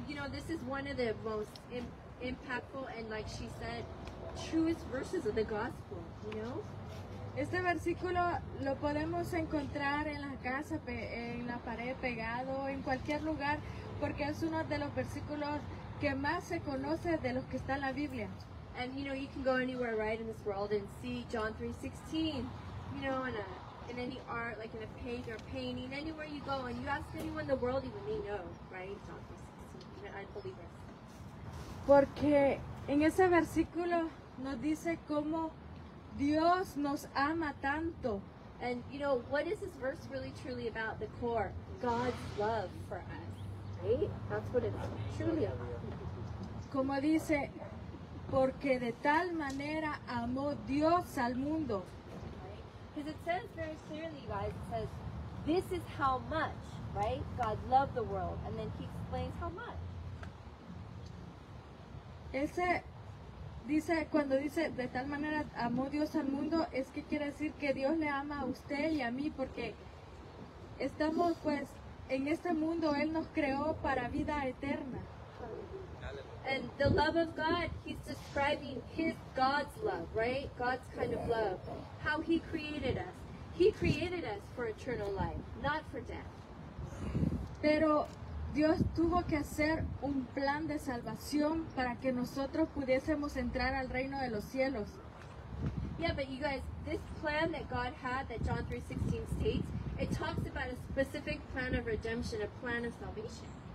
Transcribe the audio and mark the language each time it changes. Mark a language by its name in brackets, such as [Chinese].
[English] This is one of the most impactful and, like she said, truest verses of the gospel, [Spanish] Este versículo lo podemos encontrar en la casa, en la pared, pegado, en cualquier lugar, porque es uno de los versículos que más se conoce de los que está en la Biblia. [English] And, you can go anywhere, right, in this world and see John 3:16, in any art, like in a page or a painting, anywhere you go, and you ask anyone in the world, even they know, right? John 3:16, even unbelievers. [Spanish] Porque en ese versículo nos dice cómo Dios nos ama tanto. [English] And you know, what is this verse really truly about, the core? God's love for us, right? That's what it's truly about. [Spanish] Como dice, porque de tal manera amó Dios al mundo. [English] Because it says very clearly, you guys, it says, this is how much, right? God loved the world. And then He explains how much. [Spanish] Ese, dice, cuando dice, de tal manera amó Dios al mundo, es que quiere decir que Dios le ama a usted y a mí, porque estamos, pues, en este mundo, Él nos creó para vida eterna. [English] And the love of God, He's describing His, God's love, right? God's kind of love. How He created us. He created us for eternal life, not for death. [Spanish] Pero Dios tuvo que hacer un plan de salvación para que nosotros pudiésemos entrar al reino de los cielos. [English] Yeah, but you guys, this plan that God had, that John 3:16 states, it talks about a specific plan of redemption, a plan of salvation.